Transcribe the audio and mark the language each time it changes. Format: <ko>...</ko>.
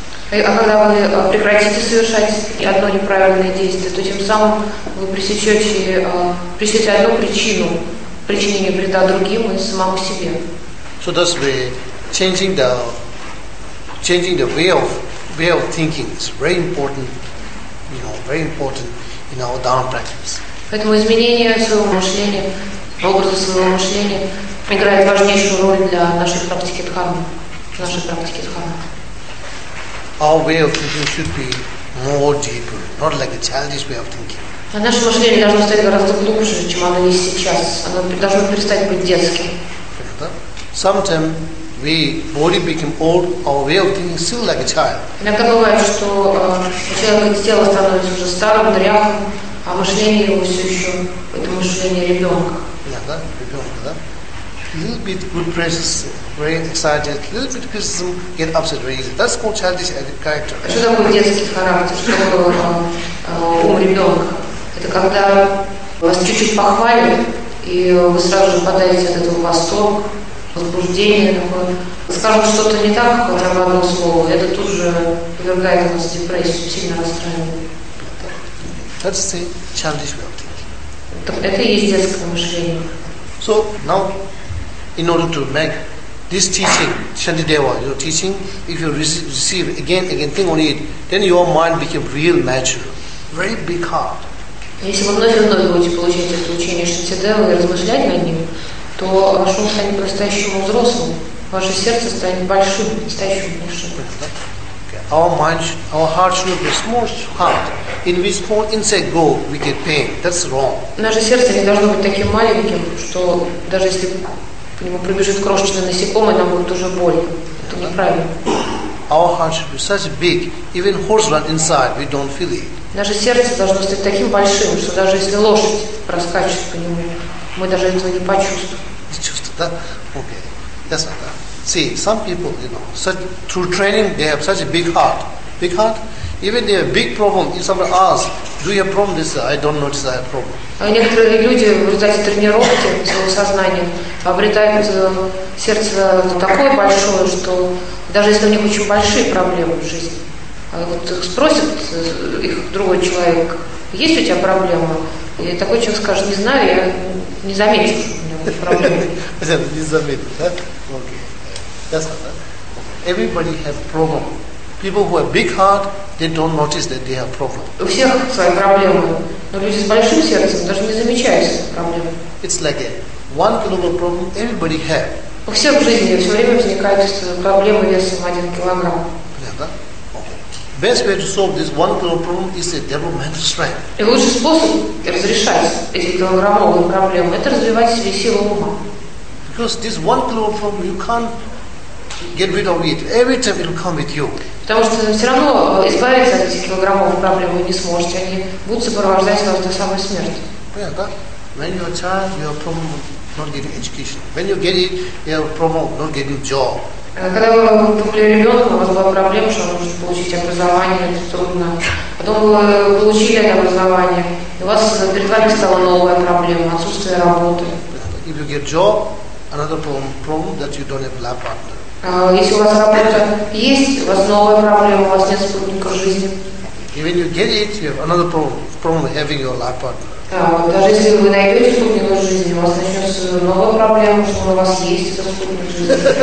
<ru>А когда вы прекратите совершать одно неправильное действие, то тем самым вы пресечете одну причину причинения вреда другим и самому себе.</ru> <en>So that's the changing the way of thinking is very important, you know, very important in our Dharma practice.</en> <ru>Поэтому изменение своего мышления, образа своего мышления играет важнейшую роль для нашей практики дхармы, нашей практики дхармы.</ru> <en>Our way of thinking should be more deeper, not like a childish way of thinking.</en> <ru>А наше мышление должно стать гораздо глубже, чем оно есть сейчас. Оно должно перестать быть детским.</ru> <en>Sometimes we body became old, our way of thinking still like a child.</en> <ru>Иногда бывает, что человек тело становится уже старым, дряхлым, а мышление его все еще это мышление ребенка.</ru> <en>Yeah,</en> <ru>да, ребенка, да.</ru> <en>Little bit good praises, very excited. Little bit criticism, get upset very easy. That's called childish character.</en> <ru>Что такое детский характер? Что такое ум ребенка? Это когда вас чуть-чуть похвалят и вы сразу же падаете от этого в восторг. возбуждение такое. Скажем, что-то не так, громадное слово, это тут же подвергает нас депрессию, сильно расстраивает.</ru> <en>That's the childish way of thinking.</en> <ru>Это и есть детское мышление.</ru> <en>So now, in order to make this teaching, Shantideva, your teaching, if you receive again, again, think on it, then your mind becomes real natural, very big heart.</en> <ru>Если вы вновь и вновь будете получать это учение Шантидева и размышлять над ним, то ваш ум станет по-настоящему взрослым, ваше сердце станет большим, настоящим большим.</ru> <en>Our mind, our heart should be small heart. In which small insect go, we get pain. That's wrong.</en> <ru>Наше сердце не должно быть таким маленьким, что даже если по нему пробежит крошечный насекомый, нам будет уже боль. Это неправильно.</ru> <en>Our heart should be such big, even horse run inside, we don't feel it.</en> <ru>Наше сердце должно стать таким большим, что даже если лошадь проскачет по нему, мы даже этого не почувствуем. Не чувствуем, да?</ru> <en>Okay. Yes, sir. See, some people, you know, such, through training, they have such a big heart. Big heart? Even they have big problem. If somebody asks, do you have problem? They say, I don't notice I have problem.</en> <ru>Некоторые люди в результате тренировки своего сознания обретают сердце такое большое, что даже если у них очень большие проблемы в жизни, вот их спросит их другой человек, есть у тебя проблема? И такой человек скажет, не знаю, я не заметил, что у меня есть проблемы. Не заметил, да?</ru> <en>That's right. Everybody has problem. People who have big heart, they don't notice that they have problem.</en> <ru>У всех свои проблемы, но люди с большим сердцем даже не замечают проблемы.</ru> <en>It's like a 1 kilogram problem everybody has.</en> <ru>У всех в жизни все время возникают проблемы весом 1 kilogram. Понятно?</ru> <en>Okay. Best way to solve this 1 kilogram problem is a developmental strength.</en> <ru>И лучший способ разрешать эти килограммовые проблемы — это развивать в себе силу ума.</ru> <en>Because this 1 kilogram problem you can't get rid of it. Every time it will come with you.</en> <ru>Потому что все равно избавиться от этих килограммов проблем вы не сможете. Они будут сопровождать вас до самой смерти. Понятно?</ru> <en>When you're a child, you have problem not getting education. When you get it, you have problem not getting job.</en> <ru>Когда вы были ребенком, у вас была проблема, что вам нужно получить образование, это трудно. Потом вы получили это образование, и у вас перед вами стала новая проблема – отсутствие работы.</ru> <en>If you get job, another problem that you don't have lab partner.</en> <ru>Если у вас работа есть, у вас новая проблема, у вас нет спутника жизни.</ru> <en>Even you get it, you have another problem, having your life partner.</en> <ru>Даже если вы найдете спутника жизни, у вас начнется новая проблема, что у вас есть этот спутник жизни.</ru>